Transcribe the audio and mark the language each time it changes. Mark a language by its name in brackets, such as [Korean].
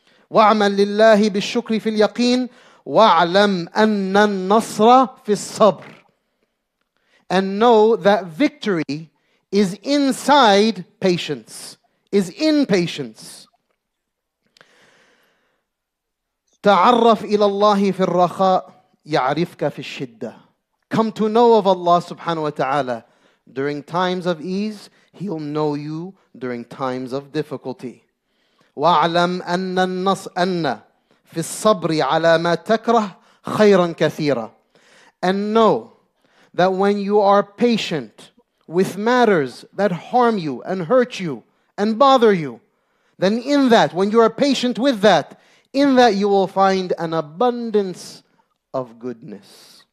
[Arabic] وَعْمَلْ لِلَّهِ بِالشُّكْرِ فِي الْيَقِينِ وَعْلَمْ أَنَّ النَّصْرَ فِي الصَّبْرِ. [English] And know that victory is inside patience, is in patience. [Arabic] تعرف إلى الله في الرخاء يعرفك في الشدة. [English] Come to know of Allah subhanahu wa ta'ala during times of ease, He'll know you during times of difficulty. [Arabic] وَاعْلَمْ أَنَّ النَّصْرَ أَنَّ فِي الصَّبْرِ عَلَى مَا تَكْرَهْ خَيْرًا كَثِيرًا. [English] And know that when you are patient with matters that harm you and hurt you and bother you, then in that, when you are patient with that, in that you will find an abundance of goodness.